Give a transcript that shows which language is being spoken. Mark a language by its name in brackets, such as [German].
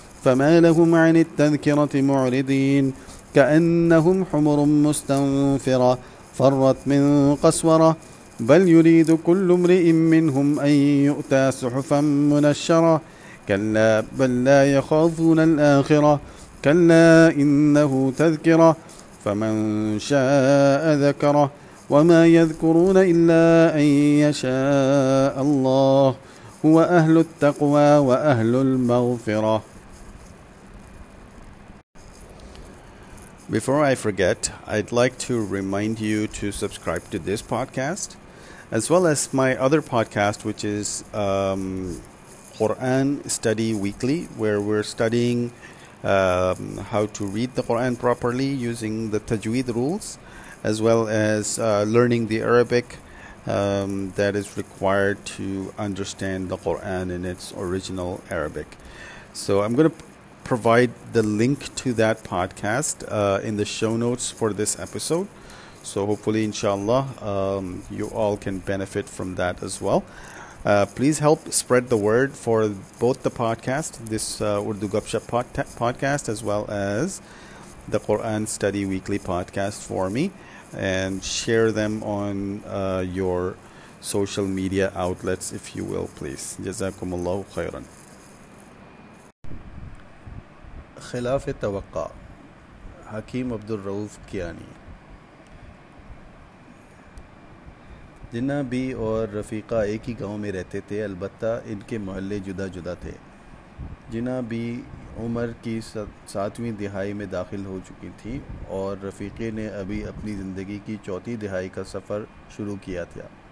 [Arabic] فما لهم عن التذكرة معرضين كأنهم حمر مستنفرة فرت من قسورة بل يريد كل امرئ منهم أن يؤتى صحفا منشرة كلا بل لا يخافون الآخرة كلا إنه تذكرة فمن شاء ذكره وما يذكرون إلا أن يشاء الله هو أهل التقوى وأهل المغفرة. [English] Before I forget, I'd like to remind you to subscribe to this podcast as well as my other podcast, which is Quran Study Weekly, where we're studying how to read the Quran properly using the Tajweed rules, as well as learning the Arabic that is required to understand the Quran in its original Arabic. So I'm going to provide the link to that podcast in the show notes for this episode. So hopefully, inshallah, you all can benefit from that as well. Please help spread the word for both the podcast, this Urdu Gupshup podcast, as well as the Quran Study Weekly podcast for me, and share them on your social media outlets, if you will, please. Jazakumullahu khairan. [Urdu] خلاف توقع حكيم عبد الرؤوف کیانی. جنہ be اور رفیقہ ایک ہی گاؤں میں رہتے تھے، البتہ ان کے محلے جدا جدا تھے. جنہ بی عمر کی ساتویں دہائی میں داخل ہو چکی تھی اور رفیقے نے ابھی اپنی زندگی کی چوتھی دہائی کا سفر شروع کیا تھا.